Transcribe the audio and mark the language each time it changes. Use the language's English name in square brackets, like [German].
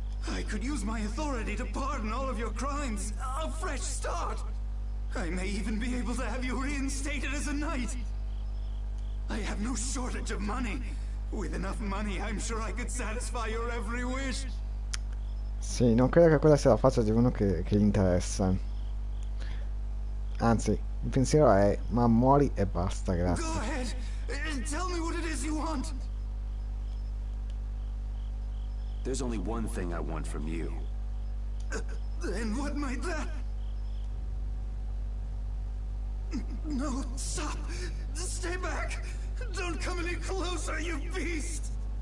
[English] I could use my authority to pardon all of your crimes. A fresh start! I may even be able to have you reinstated as a knight. I have no shortage of money. With enough money, I'm sure I could satisfy your every wish. [Italian] Sì, non credo che quella sia la faccia di uno che gli interessa. Anzi, il pensiero è: ma muori e basta, grazie. [English] Go ahead and tell me what it is you want. There's only one thing I want from you. And what might that? No, stop! Stay back! Don't come any closer, you beast!